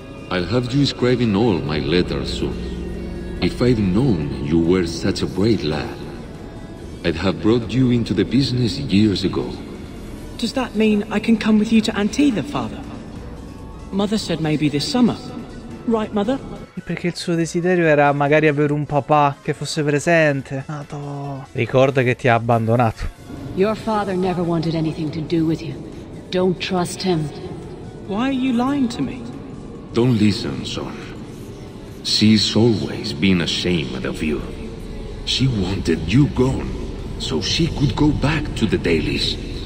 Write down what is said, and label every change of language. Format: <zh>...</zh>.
<en>I'll have you scribing all my letters soon. If I'd known you were such a brave lad, I'd have brought you into the business years ago. Does that mean I can come with you to Antietam, father? Mother said maybe this summer. Right, mother?</en> <it>Perché il suo desiderio era magari avere un papà che fosse presente. Nato. Ricorda che ti ha abbandonato.</it> <en>Your father never wanted anything to do with you. Don't trust him. Why are you lying to me? Don't listen, son. She's always been ashamed of you. She wanted you gone, so she could go back to the Dalish.</en>